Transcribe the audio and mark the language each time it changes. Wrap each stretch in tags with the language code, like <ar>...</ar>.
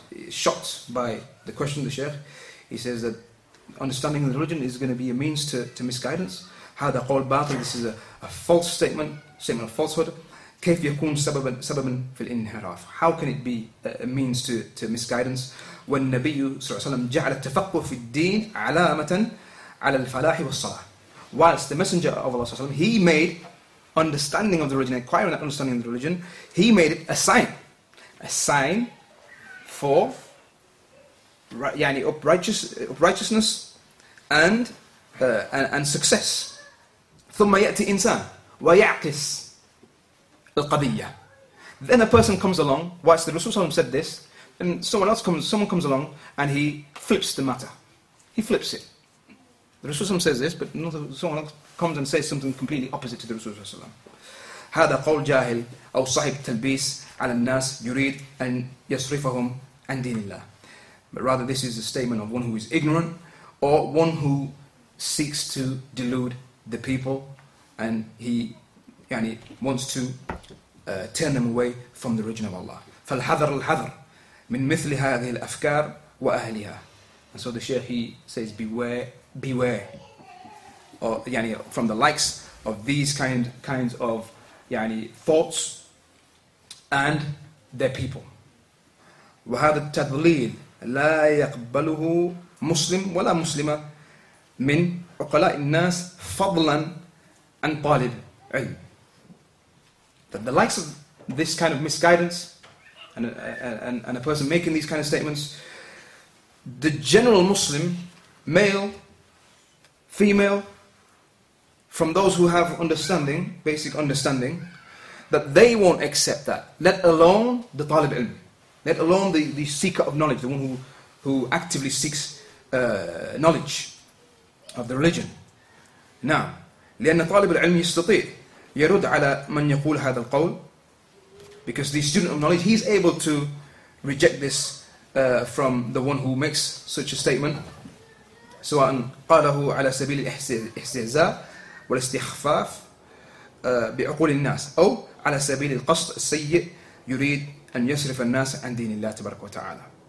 <en>Shocked by the question of the Sheikh, he says that understanding the religion is going to be a means to misguidance.</en> <ar>هذا قول باطل.</ar> <en>This is a false statement of falsehood.</en> <ar>كيف يكون سببا في الانحراف.</ar> <en>How can it be a means to misguidance?</en> <ar>والنبي صلى الله عليه وسلم جعل التفقه في الدين علامة على الفلاح والصلاح.</ar> <en>Whilst the Messenger of Allah صلى الله عليه وسلم, he made understanding of the religion, acquiring that understanding of the religion, he made it a sign for uprightness and success.</en> <ar>ثم يأتي إنسان ويعكس القضية.</ar> <en>Then a person comes along, whilst the Rasulullah said this, and someone comes along and he flips the matter. He flips it. The Rasulullah says this, but someone else comes and says something completely opposite to the Rasulullah.</en> <ar>هذا قول جاهل أو صاحب تلبيس على الناس يريد أن يصرفهم عن دين الله.</ar> <en>But rather, this is a statement of one who is ignorant or one who seeks to delude the people, and he wants to turn them away from the religion of Allah.</en> <ar>فالحذر الحذر. من مثل هذه الأفكار وأهلها.</ar> <en>And so the Sheikh, he says, beware. Or, يعني, from the likes of these kinds of يعني, thoughts and their people.</en> <ar>وهذا التضليل لا يقبله مسلم ولا مسلمة من عقلاء الناس فضلا عن طالب علم.</ar> <en>That the likes of this kind of misguidance and a person making these kind of statements, the general Muslim, male, female, from those who have understanding, basic understanding, that they won't accept that, let alone the talib ilm, let alone the seeker of knowledge, the one who actively seeks knowledge of the religion.</en> <ar>Now, لأن طالب العلم يستطيع يرد على من يقول هذا القول.</ar> <en>Because the student of knowledge, he's able to reject this from the one who makes such a statement.</en> <ar>سواء قاله على سبيل الاستهزاء والاستخفاف بعقول الناس أو على سبيل القصد السيء يريد أن يصرف الناس عن دين الله تبارك وتعالى.</ar>